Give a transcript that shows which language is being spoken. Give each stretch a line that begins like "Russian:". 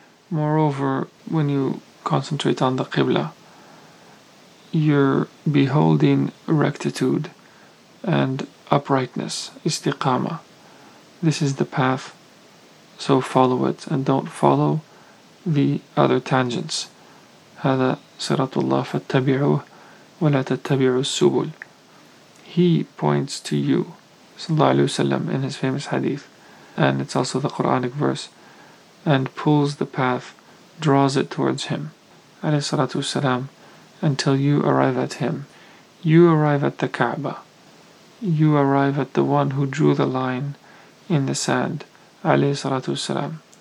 English: Moreover, when you concentrate on the Qibla, you're beholding rectitude and uprightness, istiqama. This is the path, so follow it, and don't follow the other tangents.
Arabic: هذا صراط الله فاتبعوه ولا تتبعوا السبل.
English: He points to you, sallallahu alayhi wa sallam, in his famous hadith, and it's also the Quranic verse, and pulls the path, draws it towards him, alayhi salatu wasalam, until you arrive at him. You arrive at the Kaaba. You arrive at the one who drew the line in the sand, alayhi salatu wasalam.